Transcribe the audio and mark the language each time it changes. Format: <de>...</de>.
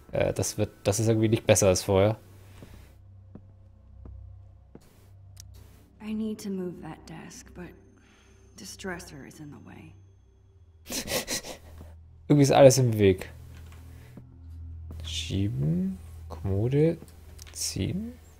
<de>Das ist irgendwie nicht besser als vorher.</de> <en>I need to move that desk, but this dresser is in the way.</en> <de>Irgendwie ist alles im Weg. Schieben, Kommode, ziehen.</de>